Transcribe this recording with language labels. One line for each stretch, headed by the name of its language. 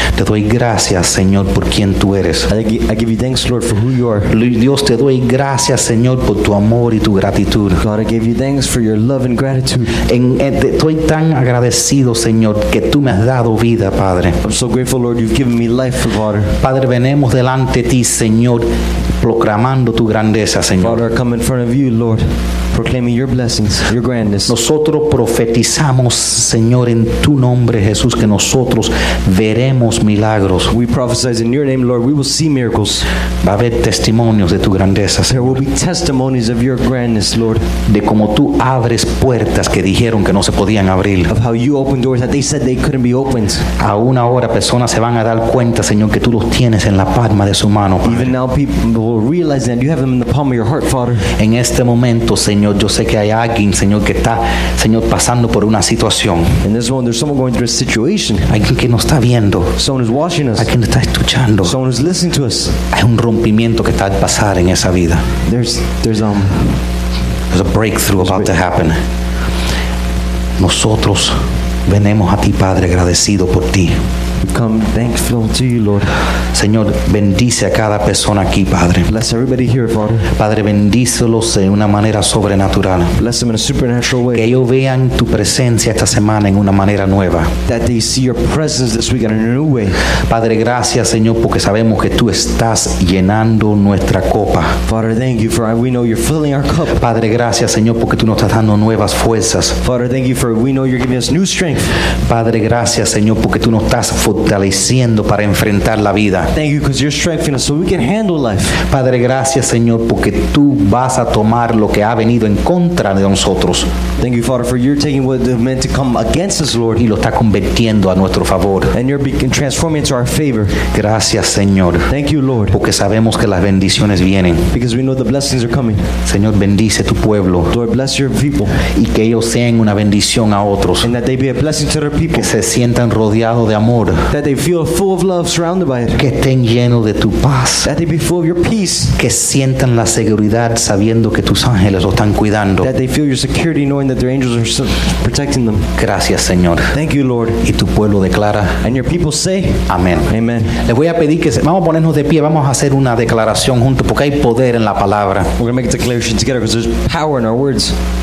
Spanish: Te doy gracias, Señor, por quien tú eres.
English: I give you thanks, Lord, for who you are.
Spanish: Dios, te doy gracias, Señor, por tu amor y tu gratitud.
English: God, I give you thanks for your love and gratitude.
Spanish: Estoy tan agradecido, Señor, que tú me has dado vida, Padre.
English: I'm so grateful, Lord, you've given me life, Father.
Spanish: Padre, venemos delante de ti, Señor, proclamando tu grandeza, Señor.
English: Father, I come in front of you, Lord, proclaiming your blessings, your grandness.
Spanish: Nosotros profetizamos, Señor, en tu nombre, Jesús, que nosotros veremos milagros.
English: We prophesy in your name, Lord, we will see miracles.
Spanish: Va a haber testimonios de tu grandeza, Señor.
English: There will be testimonies of your grandness, Lord.
Spanish: De cómo tú abres puertas que dijeron que no se podían abrir.
English: Of how you open doors that they said they couldn't be opened.
Spanish: Aún ahora personas se van a dar cuenta, Señor, que tú los tienes en la palma de su mano, Padre.
English: Even now people will realize that you have them in the palm of your heart, Father.
Spanish: En este momento, Señor, Señor, yo sé que hay alguien, Señor, que está, Señor, pasando por una situación.
English: In this moment, there's someone going through a situation.
Spanish: Alguien que nos está viendo.
English: Someone is watching us.
Spanish: Alguien está escuchando.
English: Someone is listening to us.
Spanish: Hay un rompimiento que está al pasar en esa vida.
English: There's a breakthrough about to happen.
Spanish: Nosotros venimos a ti, Padre, agradecido por ti.
English: Come thankful to you, Lord.
Spanish: Señor, bendice a cada persona aquí, Padre.
English: Bless everybody here, Father.
Spanish: Padre, bendícelos de una manera sobrenatural.
English: Bless them in a supernatural way.
Spanish: Que ellos vean tu presencia esta semana en una manera nueva.
English: That they see your presence this week in a new way.
Spanish: Padre, gracias, Señor, porque sabemos que tú estás llenando nuestra copa.
English: Father, thank you for we know you're filling our cup.
Spanish: Padre, gracias, Señor, porque tú nos estás dando nuevas fuerzas.
English: Father, thank you for we know you're giving us new strength.
Spanish: Padre, gracias, Señor, porque tú nos estás fortaleciendo para enfrentar la vida.
English: Thank you, because you're strengthening us so we can handle life.
Spanish: Padre, gracias, Señor, porque tú vas a tomar lo que ha venido en contra de nosotros.
English: Thank you, Father, for you're taking what is meant to come against us, Lord.
Spanish: Y lo está convirtiendo a nuestro favor.
English: And you're transforming it to our favor.
Spanish: Gracias, Señor.
English: Thank you, Lord.
Spanish: Porque sabemos que las bendiciones vienen.
English: Because we know the blessings are coming.
Spanish: Señor, bendice tu pueblo.
English: Lord, bless your people.
Spanish: Y que ellos sean una bendición a otros.
English: And that they be a blessing to their people.
Spanish: Que se sientan rodeados de amor.
English: That they feel full of love, surrounded by it.
Spanish: Que estén llenos de tu paz.
English: That they be full of your peace.
Spanish: Que sientan la seguridad sabiendo que tus ángeles los están cuidando.
English: That they feel your security knowing that their angels are protecting them.
Spanish: Gracias, Señor.
English: Thank you, Lord.
Spanish: Y tu pueblo declara.
English: And your people say.
Spanish: Amén.
English: Amen.
Spanish: Les voy a pedir que vamos a ponernos de pie. Vamos a hacer una declaración juntos porque hay poder en la palabra.
English: We're going to make a declaration together because there's power in our words.